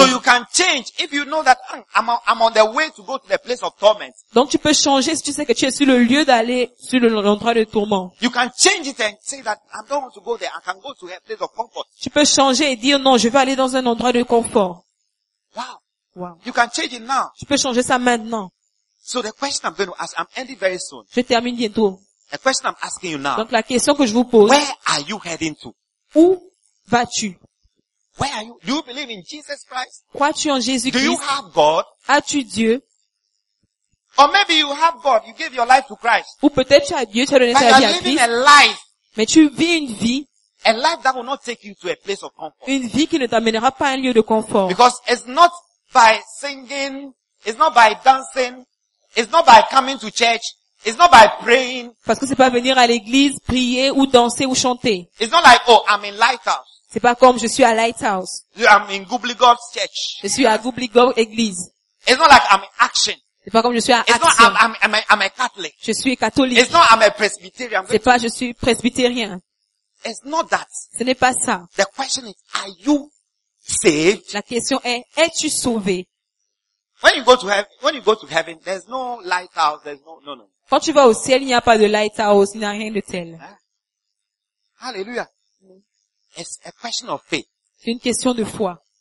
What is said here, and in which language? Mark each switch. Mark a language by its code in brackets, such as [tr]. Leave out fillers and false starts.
[en] So you can change if you know that I'm on the way to go to the place of torment. [fr] Donc tu peux changer si tu sais que tu es sur le lieu d'aller sur l'endroit de tourment. [en] You can change it and say that I don't want to go there. I can go to a place of comfort. [fr] Tu peux changer et dire non, je vais aller dans un endroit de confort. Wow. Wow. [en] You can change it now. [fr] Tu peux changer ça maintenant. [en] So the question I'm going to ask, I'm ending very soon. [fr] Je termine bientôt. [en] The question I'm asking you now. [fr] Donc la question que je vous pose. [en] Where are you heading to? [fr] Où vas-tu? [en] Where are you? Do you believe in Jesus Christ? [fr] Crois-tu en Jésus Christ? [en] Do you have God? [fr] As-tu Dieu? [en] Or maybe you have God. You gave your life to Christ. [fr] Ou peut-être tu as Dieu, tu as donné ta vie à Christ. [en] But you're living a life. [fr] Mais tu vis une vie. [en] A life that will not take you to a place of comfort. [fr] Une vie qui ne t'amènera pas à un lieu de confort. [en] Because it's not by singing. It's not by dancing. It's not by coming to church. It's not by praying. [fr] Parce que c'est pas venir à l'église, prier ou danser ou chanter. [en] It's not like, oh, I'm in Lighthouse. [fr] C'est pas comme je suis à Lighthouse. [en] I'm in Goobly God's church. [fr] Je suis à Goobly God's église. [en] It's not like I'm in Action. [fr] C'est pas comme je suis à [en] It's [fr] Action. [en] It's not I'm a Catholic. [fr] Je suis catholique. [en] It's not I'm a Presbyterian. [fr] C'est pas je suis presbytérien. [en] It's not that. [fr] Ce n'est pas ça. [en] The question is, are you saved? [fr] La question est, es-tu sauvé? [en] When you go to heaven, there's no Lighthouse, there's no, no, no. [fr] Quand tu vas au ciel, il n'y a pas de Lighthouse, il n'y a rien de tel. [en] Alléluia. It's a question of faith. [fr] C'est une question de foi.